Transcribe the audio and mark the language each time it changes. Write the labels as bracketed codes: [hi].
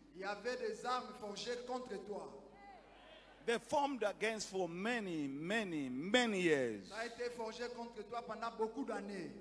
[fr] Il y avait des armes forgées contre toi. [en] They formed against for many, many, many years. [fr] Ça a été forgé contre toi pendant beaucoup d'années.